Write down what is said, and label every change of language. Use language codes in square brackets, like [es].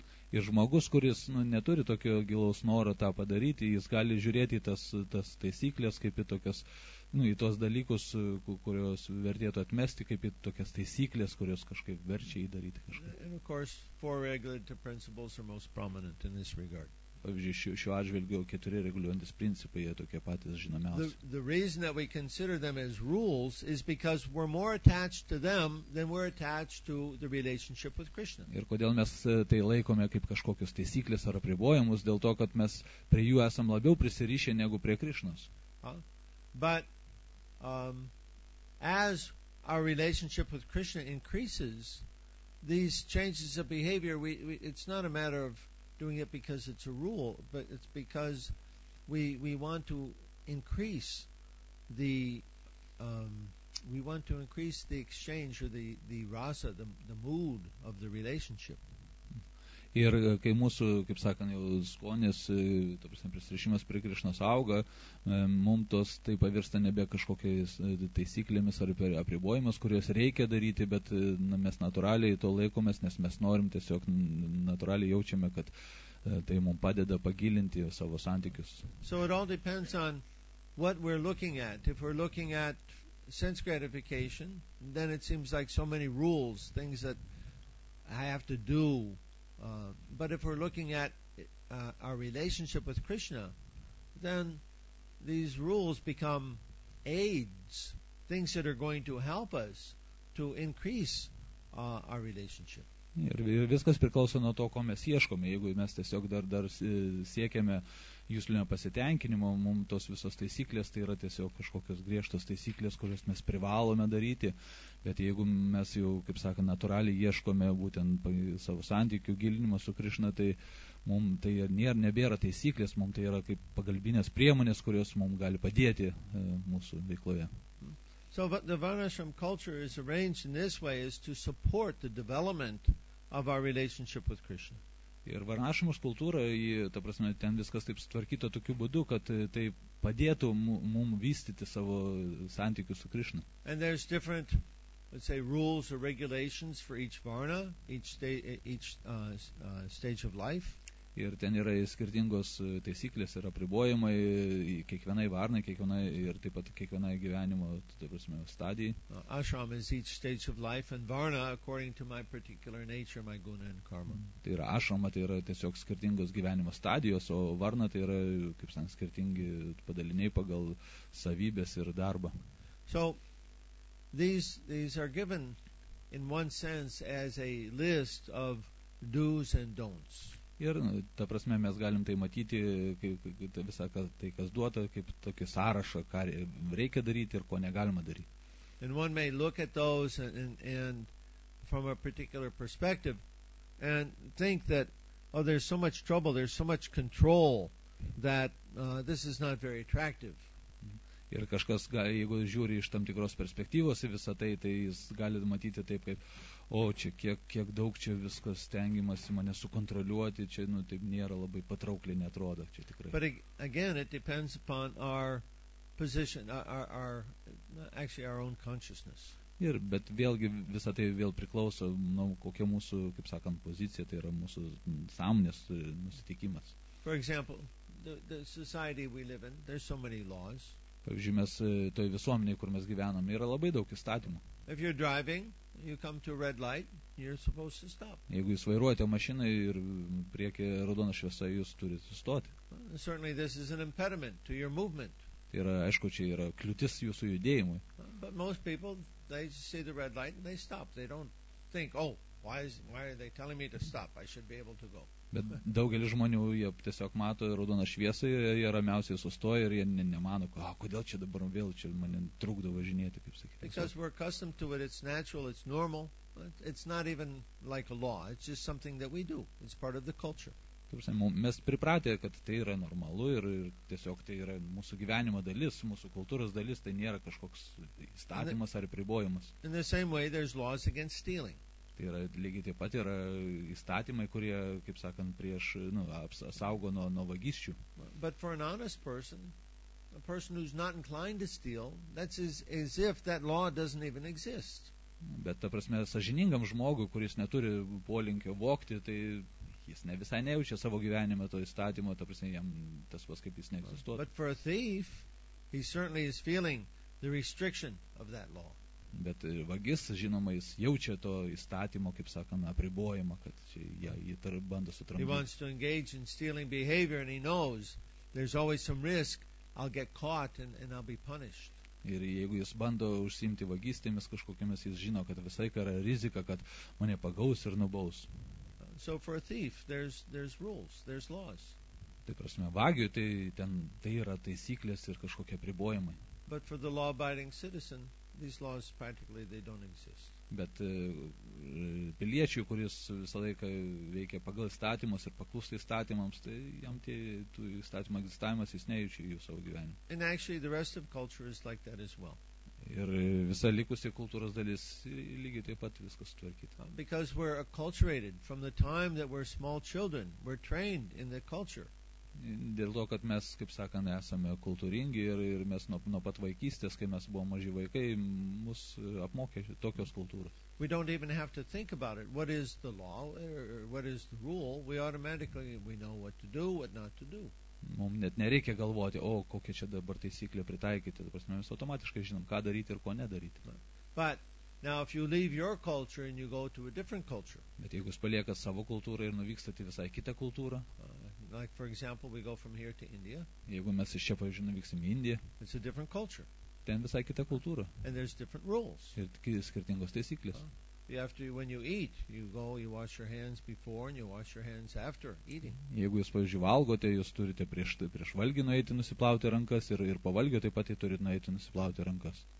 [lt] Ir žmogus, kuris neturi tokio gilaus noro tą padaryti, jis gali žiūrėti į tas taisyklės, kaip į tokias, į tos dalykus, kurios vertėtų atmesti, kaip į tokias taisyklės, kurios kažkaip verčia jį daryti kažką. Pavyzdžiui, šiuo atžvilgiu keturi reguliuojantis principai, jie tokie patys žinomiausi. [en] The reason that we consider them as rules is because we're more attached to them than we're attached to the relationship with Krishna. [lt] Ir kodėl mes tai laikome kaip kažkokios taisyklės ar apribojimus, dėl to, kad mes prie jų esam labiau prisirišę negu prie Krishnos. [en] But as our relationship with Krishna increases, these changes of behavior, it's not a matter of doing it because it's a rule, but it's because we want to increase the exchange or the rasa, the mood of the relationship. [lt] Ir kai mūsų, kaip sakant, jau skonis, ta prasme, prisirišimas prie Krišnos auga, mums tos tai pavirsta nebe kažkokiais taisyklėmis ar apribojimas, kuriuos reikia daryti, bet mes natūraliai to laikomės, nes mes norim tiesiog natūraliai jaučiame, kad tai mums padeda pagilinti savo santykius. [en] So it all depends on what we're looking at. If we're looking at sense gratification, then it seems like so many rules, things that I have to do But if we're looking at our relationship with Krishna, then these rules become aids, things that are going to help us to increase our relationship. [lt] Ir viskas priklauso nuo to, ko mes ieškome. Jeigu mes tiesiog dar siekiame juslinio pasitenkinimo, mums tos visos taisyklės, tai yra tiesiog kažkokios griežtos taisyklės, kurias mes privalome daryti. Bet jeigu mes jau, kaip sakant, natūraliai ieškome būtent savo santykių gilinimo su Krišna, tai mums tai nebėra taisyklės, mums tai yra kaip pagalbinės priemonės, kurios mums gali padėti mūsų veikloje. [en] So what the Varnashram culture is arranged in this way is to support the development of our relationship with Krishna. [lt] Ir Varnashramos kultūra, ta prasme, ten viskas taip sutvarkyta tokiu būdu, kad tai padėtų mums vystyti savo santykius su Krishna. [en] And there's different, let's say, rules or regulations for each Varna, each stage of life. [lt] Ir ten yra skirtingos taisyklės ir apribojimai kiekvienai varnai, kiekvienai ir taip pat kiekvienai gyvenimo, taip prasme, stadijai. [en] Ashram is each stage of life and varna according to my particular nature, my guna and karma. [lt] Tai yra ashrama, tai yra tiesiog skirtingos gyvenimo stadijos, o varna tai yra, kaip sakant, skirtingi padaliniai pagal savybės ir darbą. [en] So these are given in one sense as a list of do's and don'ts. [lt] Ir, ta prasme, mes galim tai matyti, kaip visą tai, kas duota, kaip tokį sąrašą, ką reikia daryti ir ko negalima daryti. [en] And one may look at those and from a particular perspective and think that, oh, there's so much trouble, there's so much control that this is not very attractive. [lt] Ir kažkas, jeigu žiūri iš tam tikros perspektyvos į visą tai, tai jis gali matyti taip, kaip, o čia kiek daug čia viskas stengimas į mane sukontroliuoti, čia nu, taip nėra labai patraukliai, netrodo čia tikrai. [en] But again, it depends upon our position, our own consciousness. [lt] Ir, bet vėlgi visą tai vėl priklauso, nu, kokia mūsų, kaip sakant, pozicija, tai yra mūsų sąmonės nusiteikimas. [en] For example, the society we live in, there's so many laws. [lt] Pavyzdžiui, mes toj visuomenėje, kur mes gyvenam, yra labai daug įstatymų. [en] If you're driving, you come to a red light, you're supposed to stop. [lt] Jeigu jūs vairuojate mašiną ir priekyje raudona šviesa, jūs turite sustoti. [en] Certainly this is an impediment to your movement. [lt] Tai yra, aišku, čia yra kliūtis jūsų judėjimui. [en] But most people, they see the red light and they stop. They don't think, oh, why are they telling me to stop? I should be able to go. [lt] Bet daugelis žmonių, jie tiesiog mato raudoną šviesą, jie ramiausiai sustoja ir jie nemano, kodėl čia dabar vėl čia mane trukdo važinėti, kaip sakyti. [en] Because we're accustomed to it, it's natural, it's normal, but it's not even like a law, it's just something that we do, it's part of the culture. [lt] Mes pripratė, kad tai yra normalu ir tiesiog tai yra mūsų gyvenimo dalis, mūsų kultūros dalis, tai nėra kažkoks įstatymas ar pribojimas. [en] In the same way, there's laws against stealing. [lt] Yra lygiai taip pat yra įstatymai, kurie, kaip sakant, prieš, nu, apsaugo nuo vagysčių. [en] But for an honest person, a person who's not inclined to steal, that's as if that law doesn't even exist. [lt] Bet ta prasme, sąžiningam žmogui, kuris neturi polinkio vokti, tai jis ne visai nejaučia savo gyvenime to įstatymo, ta prasme, jam tas pas kaip jis neegzistuotų. [en] But for a thief, he certainly is feeling the restriction of that law. [lt] Bet vagis, žinoma, jis jaučia to įstatymo, kaip sakant, apribojimą, kad jį bando sutramdyti. [en] He wants to engage in stealing behavior and he knows there's always some risk I'll get caught and I'll be punished. [lt] Ir jeigu jis bando užsiimti vagystėmis kažkokiamis, jis žino, kad visai yra rizika, kad mane pagaus ir nubaus. [en] So for a thief, there's rules, there's laws. [lt] Tai prasme, vagiu, tai ten tai yra taisyklės ir kažkokie apribojimai. [en] But for the law-abiding citizen, these laws practically they don't exist. [lt] Bet piliečiui, kuris visą laiką veikia pagal įstatymus ir paklūsta įstatymams, tai jam tie tų įstatymų egzistavimas jis nejaučia jų savo gyvenime. [en] And actually the rest of culture is like that as well. [lt] Ir visa likusi kultūros dalis lygiai taip pat viskas tvarkyta. [en] Because we're acculturated from the time that we're small children, we're trained in the culture. [lt] Dėl to, kad mes, kaip sakant, esame kultūringi ir mes nuo pat vaikystės, kai mes buvome maži vaikai, mus apmokė tokios kultūros. [en] We don't even have to think about it. What is the law or what is the rule? We automatically we know what to do, what not to do. [lt] Mums net nereikia galvoti, o kokia čia dabar taisyklė pritaikyti. Mes automatiškai žinom, ką daryti ir ko nedaryti. [en] But Now, if you leave your culture and you go to a different culture, [lt] bet jeigu jūs paliekat savo kultūrą ir nuvykstate visai kitą kultūrą, [en] like for example, we go from here to India. [lt] Jeigu mes iš čia, pavyzdžiui, nuvykstame į Indiją, [en] it's a different culture. [lt] Ten visai kita kultūra. [en] And there's different rules. [lt] Ir skirtingos taisyklės. [en] After when you eat, you go, you wash your hands before and you wash your hands after eating. [lt] Jeigu jūs, pavyzdžiui, valgote, jūs turite prieš valgį nueiti nusiplauti rankas ir po valgio taip pat turite nueiti nusiplauti rankas.